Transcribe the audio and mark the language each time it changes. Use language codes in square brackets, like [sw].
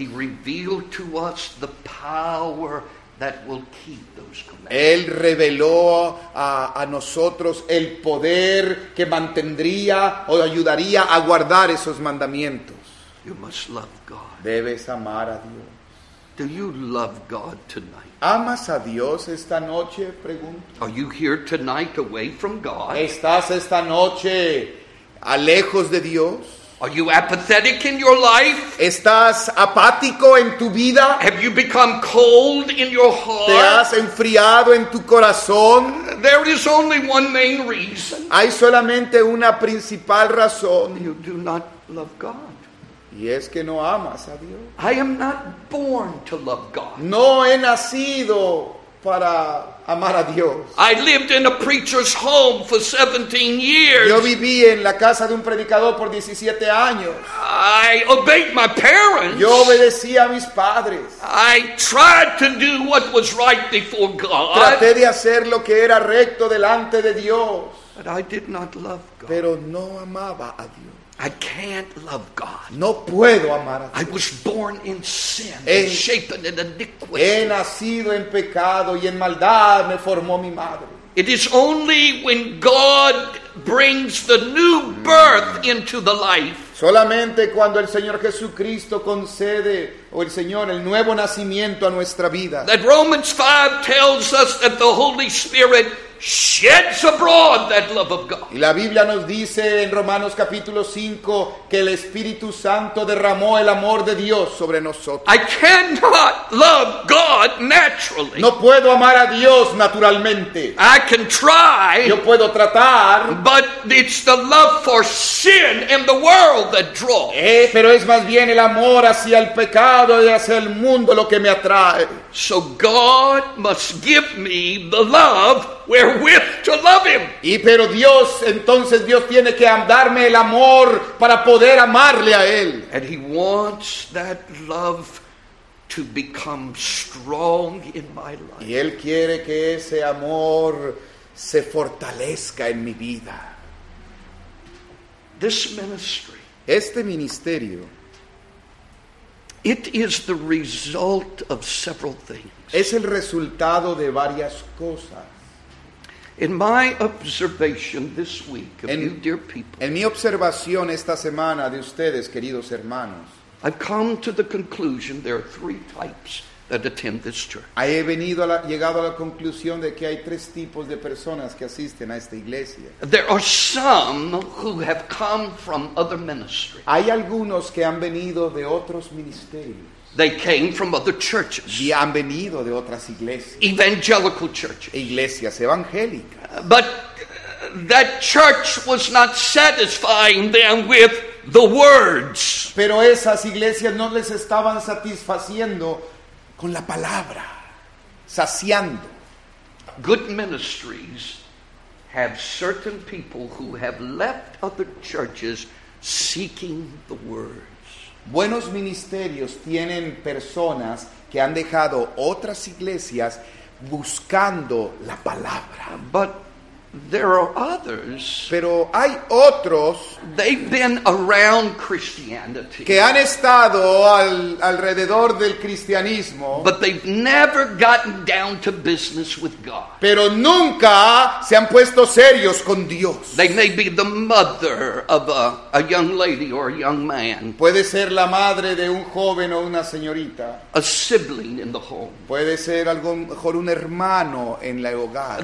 [en] He revealed to us the power that will keep those commandments. [es] Él reveló a nosotros el poder que mantendría o ayudaría a guardar esos mandamientos. [en] You must love God. [es] Debes amar a Dios. [en] Do you love God tonight? [es] ¿Amas a Dios esta noche? Pregunto. [en] Are you here tonight away from God? [es] ¿Estás esta noche alejos de Dios? [en] Are you apathetic in your life? [es] ¿Estás apático en tu vida? [en] Have you become cold in your heart? [es] ¿Te has enfriado en tu corazón? [en] There is only one main reason. [es] Hay solamente una principal razón. [en] You do not love God. [es] Y es que no amas a Dios. [en] I am not born to love God. [es] No he nacido para amar a Dios. [en] I lived in a preacher's home for 17 years. [es] Yo viví en la casa de un predicador por 17 años. [en] I obeyed my parents. [es] Yo obedecí a mis padres. [en] I tried to do what was right before God. [es] Traté de hacer lo que era recto delante de Dios. [en] But I did not love God. [es] Pero no amaba a Dios. [en] I can't love God. [es] No puedo amar a Dios. [en] I was born in sin, and shapen in iniquity. [es] He nacido en pecado y en maldad me formó mi madre. [en] It is only when God brings the new birth into the life. [es] Solamente cuando el Señor Jesucristo concede, o el Señor, el nuevo nacimiento a nuestra vida. [en] That Romans 5 tells us that the Holy Spirit sheds abroad that love of God. [es] Y la Biblia nos dice en Romanos capítulo 5 que el Espíritu Santo derramó el amor de Dios sobre nosotros. [en] I cannot love God naturally. [es] No puedo amar a Dios naturalmente. [en] I can try. [es] Yo puedo tratar. [en] But it's the love for sin and the world that draws. [es] Pero es más bien el amor hacia el pecado y hacia el mundo lo que me atrae. [en] So God must give me the love wherewith to love him. [es] Y pero Dios, entonces Dios tiene que darme el amor para poder amarle a él. [en] And he wants that love to become strong in my life. [es] Y él quiere que ese amor se fortalezca en mi vida. [en] This ministry. [es] Este ministerio. [en] It is the result of several things. [es] Es el resultado de varias cosas. [en] In my observation this week of you, dear people. [es] En mi observación esta semana de ustedes, queridos hermanos. [en] I've come to the conclusion there are three types that attend this church. [es] He venido a llegado a la conclusión de que hay tres tipos de personas que asisten a esta iglesia. [en] There are some who have come from other ministries. [es] Hay algunos que han venido de otros ministerios. [en] They came from other churches. [es] Y han venido de otras iglesias. [en] Evangelical churches. [es] Iglesias evangélicas. [en] But that church was not satisfying them with the words. [es] Pero esas iglesias no les estaban satisfaciendo con la palabra, saciando. [en] Good ministries have certain people who have left other churches seeking the words. [es] Buenos ministerios tienen personas que han dejado otras iglesias buscando la palabra. [en] But there are others. [es] Pero hay otros. [en] They've been around Christianity. [es] Que han estado alrededor del cristianismo. [en] But they've never gotten down to business with God. [es] Pero nunca se han puesto serios con Dios. [en] They may be the mother of a young lady or a young man. [es] Puede ser la madre de un joven o una señorita. [en] A sibling in the home. [es] Puede ser algún mejor un hermano en la hogar.